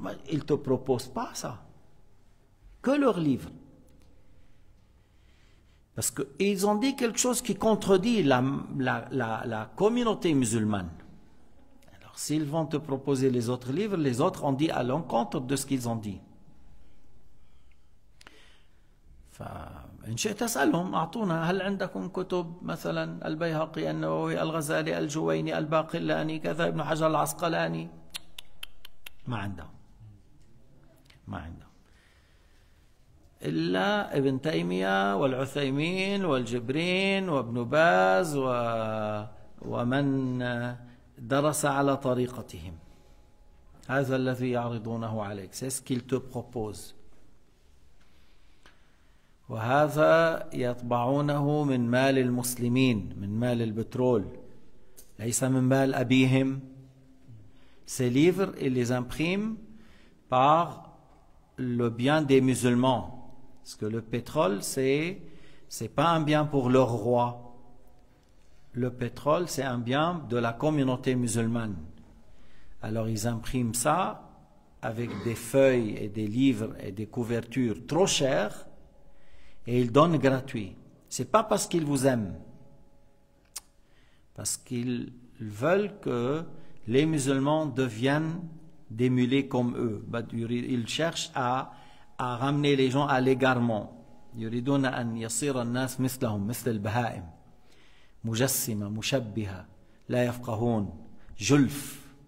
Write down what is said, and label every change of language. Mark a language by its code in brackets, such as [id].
[fr] Ils ne te proposent pas ça. Que leurs livres. Parce qu'ils ont dit quelque chose qui contredit la communauté musulmane. Alors s'ils vont te proposer les autres livres, les autres ont dit à l'encontre de ce qu'ils ont dit. [ar] فإن شئت أسألهم أعطونا هل عندكم كتب مثلا البيهقي النووي الغزالي الجويني الباقلاني كذا ابن حجر العسقلاني. ما عندهم إلا ابن تيمية والعثيمين والجبرين وابن باز ومن درس على طريقتهم, هذا الذي يعرضونه عليك. [fr] C'est ce qu'il te propose. [ar] وهذا يطبعونه من مال المسلمين, من مال البترول, ليس من مال أبيهم. [fr] Ces livres, ils les impriment par le bien des musulmans. Parce que le pétrole, c'est pas un bien pour leur roi. Le pétrole, c'est un bien de la communauté musulmane. Alors ils impriment ça avec des feuilles et des livres et des couvertures trop chères et ils donnent gratuit. C'est pas parce qu'ils vous aiment. Parce qu'ils veulent que les musulmans deviennent des mulets comme eux. Ils cherchent à ramener les gens à l'égarement. [ar] يريدون أن يصير الناس مثلهم مثل البهائم مجسمة مشبهة لا يفقهون جلف.